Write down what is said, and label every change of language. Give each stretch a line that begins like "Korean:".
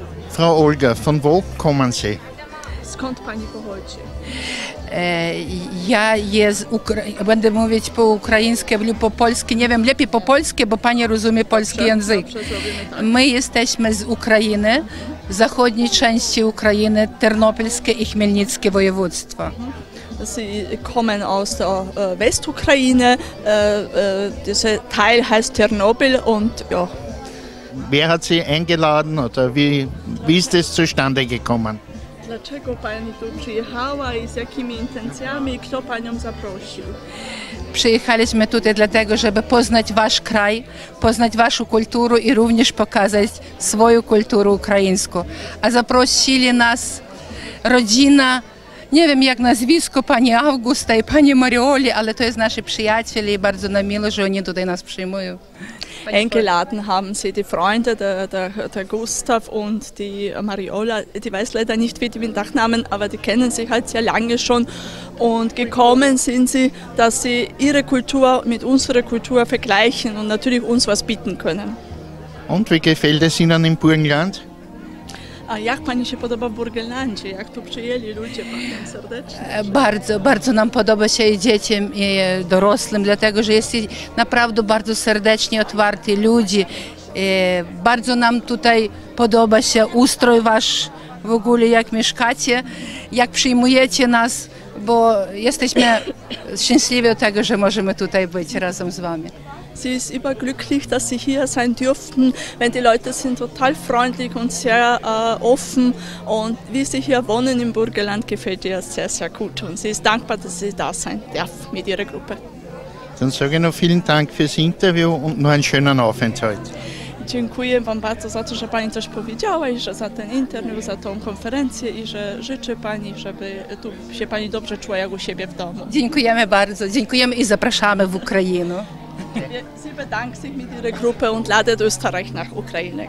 German: Frau Olga, von wo kommen Sie?
Polish: Skąd pani pochodzi? Ja jest będę mówić po ukraińsku lub po polsku, nie wiem, lepiej po polsku, bo pani rozumie polski język. My jesteśmy z Ukrainy, z zachodniej części Ukrainy, Ternopilskie i Chmielnickie województwo.
German: Sie kommen aus der Westukraine, dieser Teil heißt Ternopil und ja. Wer hat Sie eingeladen oder wie ist das zustande gekommen?
Polish: Dlaczego Pani tu przyjechała i z jakimi intencjami, kto Panią zaprosił? Przyjechaliśmy tutaj dlatego, żeby poznać Wasz kraj, poznać Waszą kulturę i również pokazać swoją kulturę ukraińską. A zaprosili nas rodzina, nie wiem jak nazwisko Pani Augusta i Pani Marioli, ale to jest nasi przyjaciele i bardzo nam miło, że oni tutaj nas przyjmują.
German: Eingeladen haben Sie die Freunde, der Gustav und die Mariola, die weiß leider nicht, wie die mit Nachnamen, aber die kennen sich halt sehr lange schon. Und gekommen sind sie, dass sie ihre Kultur mit unserer Kultur vergleichen und natürlich uns was bieten können. Und wie gefällt es Ihnen im Burgenland?
Polish: Jak Pani się podoba w Burgenlandzie? Jak tu przyjęli ludzie Pani serdecznie? Bardzo, bardzo nam podoba się i dzieciom, i dorosłym, dlatego że jest naprawdę bardzo serdecznie otwarty ludzie. Bardzo nam tutaj podoba się ustrój Wasz w ogóle, jak mieszkacie, jak przyjmujecie nas, bo jesteśmy szczęśliwi od tego, że możemy tutaj być razem z Wami.
German: Sie ist immer glücklich, dass sie hier sein dürften, wenn die Leute sind total freundlich und sehr offen und wie sie hier wohnen im Burgenland gefällt ihr sehr, sehr gut und sie ist dankbar, dass sie da sein darf mit ihrer Gruppe. Dann sage ich noch vielen Dank fürs Interview und noch einen schönen Aufenthalt.
Polish: Dziękuję Wam bardzo za to, że Pani coś powiedziała i że za ten interview, za tą konferencję i że życzę Pani, żeby tu się Pani dobrze czuła jak u siebie w domu. Dziękujemy bardzo, dziękujemy i zapraszamy w Ukrainę.
German: Sie bedankt sich mit ihrer Gruppe und ladet Österreich nach Ukraine.